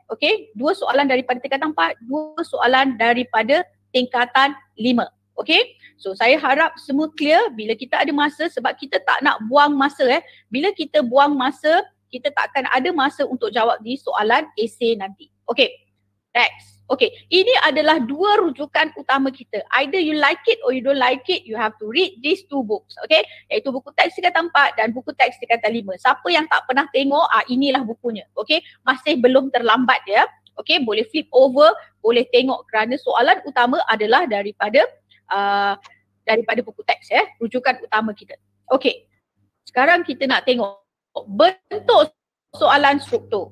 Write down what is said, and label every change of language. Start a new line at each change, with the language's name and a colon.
Malay: Okey, dua soalan daripada tingkatan 4, dua soalan daripada tingkatan 5. Okay, so saya harap semua clear. Bila kita ada masa, sebab kita tak nak buang masa eh. Bila kita buang masa, kita takkan ada masa untuk jawab di soalan esei nanti.
English: Okay, next.
Malay: Okay, ini adalah dua rujukan utama kita.
English: Either you like it or you don't like it, you have to read these two books.
Malay: Okay, iaitu buku teks tingkatan 4 dan buku teks tingkatan 5. Siapa yang tak pernah tengok, inilah bukunya. Okay, masih belum terlambat ya. Okay, boleh flip over, boleh tengok kerana soalan utama adalah daripada daripada buku teks ya, rujukan utama kita. Okay, sekarang kita nak tengok bentuk soalan struktur.